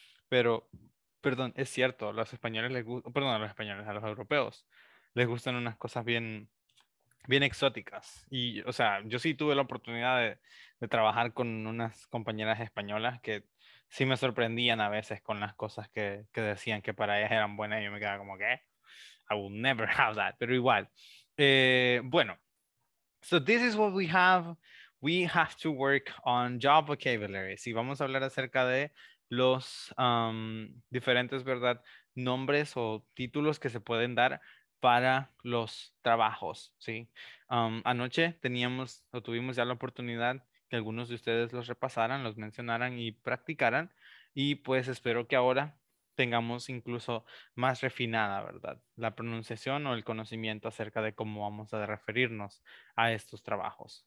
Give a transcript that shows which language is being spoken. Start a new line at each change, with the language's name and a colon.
Spanish: Pero, perdón, es cierto, a los españoles a los europeos les gustan unas cosas bien, bien exóticas. Y, o sea, yo sí tuve la oportunidad de trabajar con unas compañeras españolas que sí me sorprendían a veces con las cosas que decían que para ellas eran buenas. Y yo me quedaba como, ¿qué?
English: I will never have that.
Spanish: Pero igual. Bueno.
English: So this is what we have we have to work on job vocabulary.
Spanish: Si vamos a hablar acerca de los diferentes, ¿verdad?, nombres o títulos que se pueden dar para los trabajos, ¿sí? Anoche teníamos o tuvimos ya la oportunidad que algunos de ustedes los repasaran, los mencionaran y practicaran, y pues espero que ahora tengamos incluso más refinada, ¿verdad?, la pronunciación o el conocimiento acerca de cómo vamos a referirnos a estos trabajos.